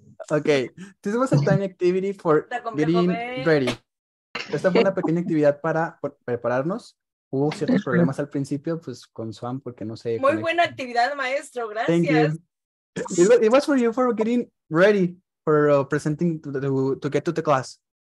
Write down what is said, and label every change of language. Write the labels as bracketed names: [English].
[English] Okay, this was a tiny activity for getting ready. [Spanish] Esta fue una pequeña actividad para prepararnos. Hubo ciertos problemas al principio, pues con Swan, porque no sé. Muy conectar. Buena actividad, maestro, gracias. [English] Thank you. It was for you for getting ready for presenting to get to the class.